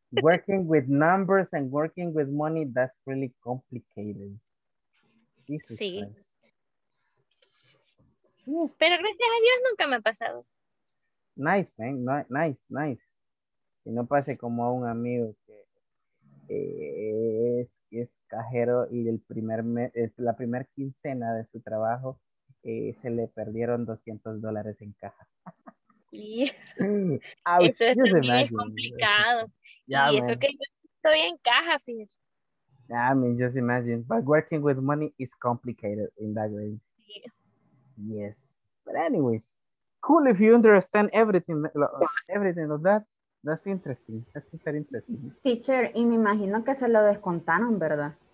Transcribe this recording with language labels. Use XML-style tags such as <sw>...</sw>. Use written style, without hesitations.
<en>Working with numbers and working with money, that's really complicated.</en> <es>Sí. Pero gracias a Dios nunca me ha pasado.</es> <en>Nice, man. Nice, nice.</en> <es>Que no pase como a un amigo que es cajero y la primer quincena de su trabajo se le perdieron $200 en caja. Sí. Eso es complicado. Y eso que yo estoy en caja, fíjese.</es> <en>I mean, just imagine. But working with money is complicated in that way. Yeah. Yes. But anyways, cool if you understand everything of that. That's interesting. That's super interesting.</en> <es>Teacher, y me imagino que se lo descontaron, ¿verdad?</es>